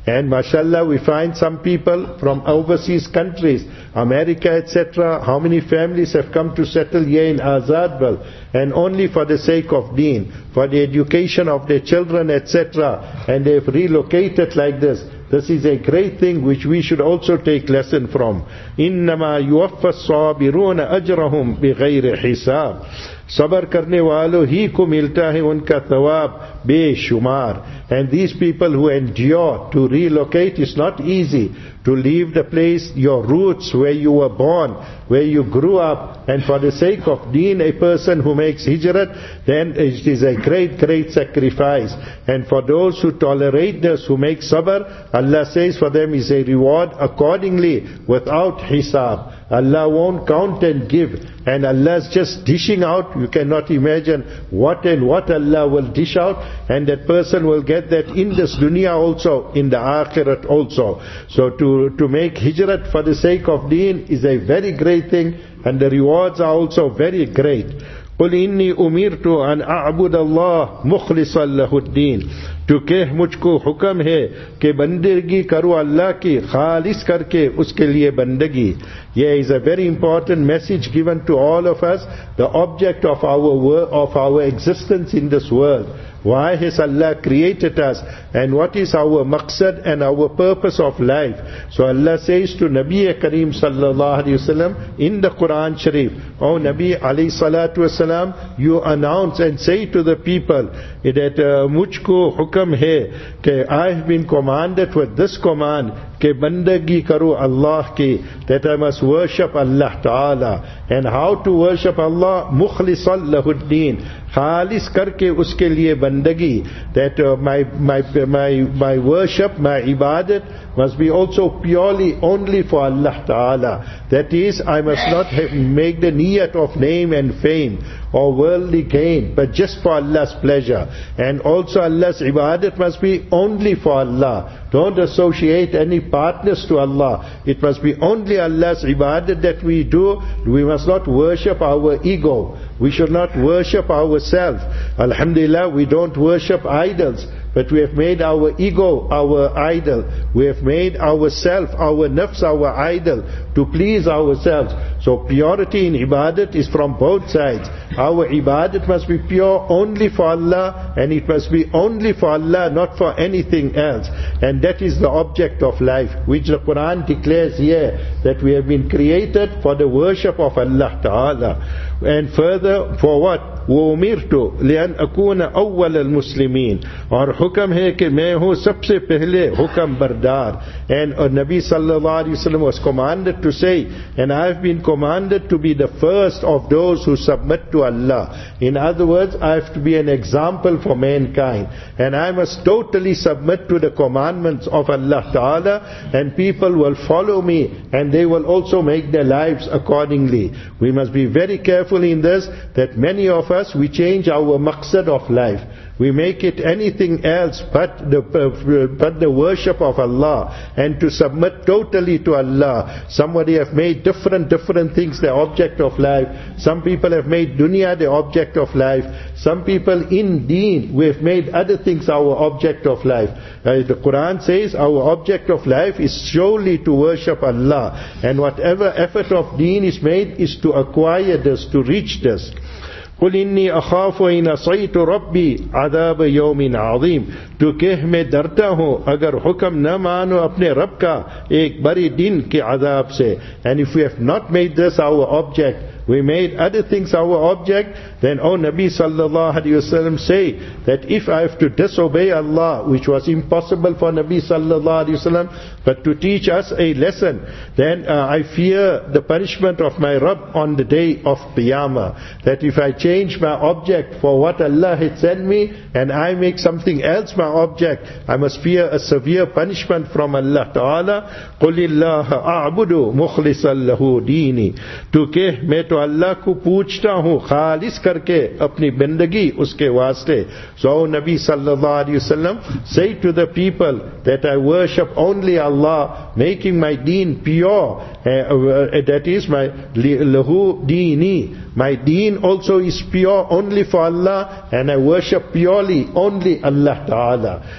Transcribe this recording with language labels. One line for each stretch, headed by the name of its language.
English: And mashallah, we find some people from overseas countries, America, etc. How many families have come to settle here in Azadbal, and only for the sake of deen, for the education of their children, etc. And they have relocated like this. This is a great thing which we should also take lesson from.
Arabic: إِنَّمَا يُوَفَّ الصَّابِرُونَ أَجْرَهُمْ بِغَيْرِ حِسَابٍ,
Urdu: صبر کرنے والوں ہی کو ملتا ہے ان کا ثواب بے شمار.
English: And these people who endure to relocate, is not easy to leave the place, your roots, where you were born, where you grew up, and for the sake of deen, a person who makes hijrat, then it is a great, great sacrifice. And for those who tolerate this, who make sabr, Allah says for them is a reward accordingly, without hisab. Allah won't count and give, and Allah's just dishing out. You cannot imagine what and what Allah will dish out, and that person will get that in this dunya also, in the akhirat also. So to make hijrat for the sake of deen is a very great thing, and the rewards are also very great.
Arabic: قُلْ إِنِّي أُمِرْتُ أَنْ أَعْبُدَ اللَّهِ مُخْلِصًا لَهُ الدِّينِ,
Urdu: تو کہ مجھ کو حکم ہے کہ بندگی کرو اللہ کی خالص کر کے اس کے لئے بندگی.
English: Yeah, is a very important message given to all of us, the object of our existence in this world. Why has Allah created us? And what is our maqsad and our purpose of life? So Allah says to Nabi Kareem sallallahu alayhi wa sallam in the Quran Sharif, O Nabi alayhi salatu wa sallam, you announce and say to the people that
Urdu: mujhko hukam hai,
English: ke I have been commanded with this command, ke
Urdu: bandagi karu Allah ki,
English: that I must worship Allah Ta'ala. And how to worship Allah?
Arabic: Mukhlisan lahuddin.
Urdu: خالص کر کے اس کے لئے بندگی.
English: That my worship, my ibadat must be also purely only for Allah Ta'ala. That is, I must not make the niyat of name and fame. or worldly gain, but just for Allah's pleasure. And also Allah's ibadat must be only for Allah. Don't associate any partners to Allah. It must be only Allah's ibadat that we do. We must not worship our ego. We should not worship ourselves. Alhamdulillah, we don't worship idols. But we have made our ego our idol. We have made ourself, our nafs, our idol to please ourselves. So purity in ibadat is from both sides. Our ibadat must be pure only for Allah, and it must be only for Allah, not for anything else. And that is the object of life, which the Quran declares here, that we have been created for the worship of Allah Ta'ala. And further, for what?
Arabic: وَأُمِرْتُ لِأَنْ أَكُونَ أَوَّلَ الْمُسْلِمِينَ.
Urdu: اور حکم ہے کہ میں ہوں سب سے پہلے حکم بردار.
English: And Nabi sallallahu alayhi wa sallam was commanded to say, and I have been commanded to be the first of those who submit to Allah. In other words, I have to be an example for mankind. And I must totally submit to the commandments of Allah Ta'ala, and people will follow me, and they will also make their lives accordingly. We must be very careful in this, that many of us, we change our maqsad of life. We make it anything else but the worship of Allah, and to submit totally to Allah. Somebody have made different things their object of life. Some people have made dunya their object of life. Some people in deen, we have made other things our object of life. The Quran says our object of life is surely to worship Allah. And whatever effort of deen is made is to acquire this, to reach this.
Arabic: قُلْ إِنِّي أَخَافُ إِنْ أَصَيْتُ رَبِّي عَذَابَ يَوْمٍ عَظِيمٍ.
Urdu: تو کہہ میں ڈرتا ہوں اگر حکم نہ مانو اپنے رب کا ایک بڑے دن کے عذاب سے.
English: And if we have not made this our object, we made other things our object, then O Nabi sallallahu alayhi wasallam say that if I have to disobey Allah, which was impossible for Nabi sallallahu alayhi wasallam, but to teach us a lesson, then I fear the punishment of my Rabb on the day of Qiyamah. That if I change my object for what Allah had sent me, and I make something else my object, I must fear a severe punishment from Allah Ta'ala.
Arabic: قُلِ اللَّهَ أَعْبُدُ مُخْلِصًا لَهُ دِينِ.
Urdu: تو کہ میں تو اللہ کو پوچھتا ہوں خالص کر کے اپنی بندگی اس کے واسطے.
English: So Nabi sallallahu alayhi wa sallam say to the people that I worship only Allah, making my deen pure, that is my lahu deeni. My deen also is pure only for Allah, and I worship purely only Allah Ta'ala.